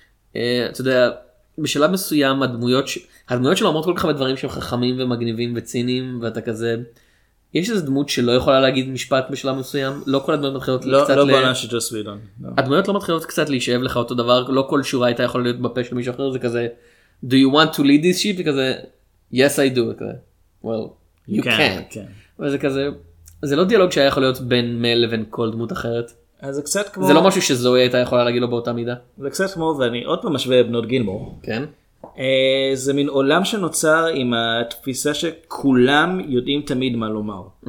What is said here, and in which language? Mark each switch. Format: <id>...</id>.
<he>אתה יודע, בשלב מסוים הדמויות שלו אומרות כל כך הרבה דברים שהם חכמים ומגניבים וציניים, ואתה כזה, יש איזו דמות שלא יכולה להגיד משפט בשלב מסוים, לא כל הדמויות מתחילות קצת לא בעונה של ג'וס וידון. הדמויות לא מתחילות קצת להישאב לך אותו דבר, לא כל שורה הייתה יכולה להיות בפה של מישהו אחר, זה כזה,</he> <en>do you want to lead this ship?</en> <he>זה כזה,</he> <en>yes I do, כזה, well, you can't.</en> <he>וזה כזה, זה לא דיאלוג שהיה יכול להיות בין מל לבין כל דמות אחרת. אז זה קצת כמו, זה לא משהו שזוהי הייתה יכולה להגיד לו באותה מידה. זה קצת כמו, ואני עוד פעם משווה בנות גילמור. כן. זה מין עולם שנוצר עם התפיסה שכולם יודעים תמיד מה לומר.</he>